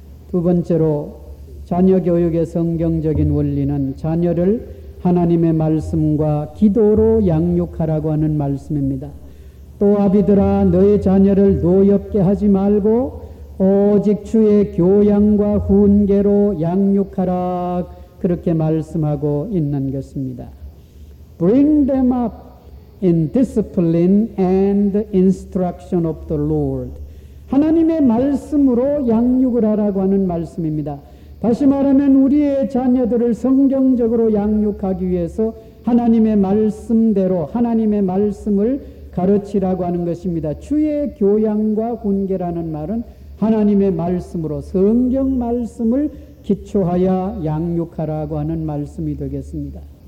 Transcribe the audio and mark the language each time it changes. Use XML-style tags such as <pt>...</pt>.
<ko>두 번째로 자녀 교육의 성경적인 원리는 자녀를 하나님의 말씀과 기도로 양육하라고 하는 말씀입니다. 또 아비들아 너희 자녀를 노엽게 하지 말고 오직 주의 교양과 훈계로 양육하라 그렇게 말씀하고 있는 것입니다.</ko> <en>Bring them up in discipline and instruction of the Lord.</en> <ko>하나님의 말씀으로 양육을 하라고 하는 말씀입니다. 다시 말하면 우리의 자녀들을 성경적으로 양육하기 위해서 하나님의 말씀대로 하나님의 말씀을 가르치라고 하는 것입니다. 주의 교양과 훈계라는 말은 하나님의 말씀으로 성경 말씀을 기초하여 양육하라고 하는 말씀이 되겠습니다.</ko>